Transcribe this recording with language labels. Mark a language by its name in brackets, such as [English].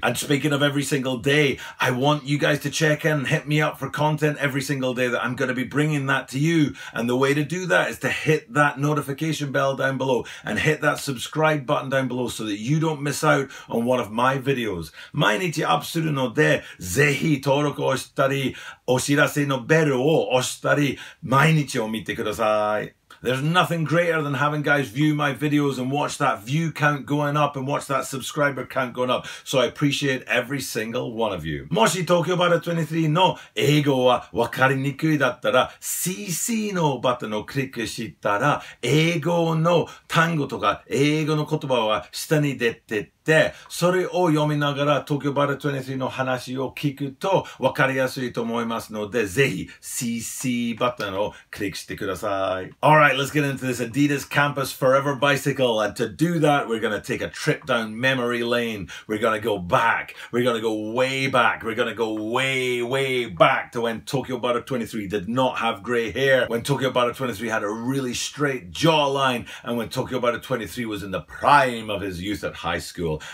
[English] And speaking of every single day, I want you guys to check in and hit me up for content every single day that I'm going to be bringing that to you. And the way to do that is to hit that notification bell down below and hit that subscribe button down below so that you don't miss out on one of my videos. [Japanese] 毎日アップするのでぜひ登録をしたりお知らせのベルを押したり毎日を見てください。 [English] There's nothing greater than having guys view my videos and watch that view count going up and watch that subscriber count going up. So I appreciate every single one of you. [Japanese] もし東京バター23の英語はわかりにくいだったら CC のバターをクリックしたら英語の単語とか英語の言葉は下に出てでそれを読みながら東京バレット23の話を聞くと分かりやすいと思いますのでぜひ CC バッタンをクリックしてください。 [English] Alright, let's get into this Adidas Campus Forever Bicycle. And to do that, we're going to take a trip down memory lane. We're going to go back. We're going to go way back. We're going to go way, way back to when Tokyo Butter 23 did not have grey hair, when Tokyo Butter 23 had a really straight jawline, and when Tokyo Butter 23 was in the prime of his youth at high school.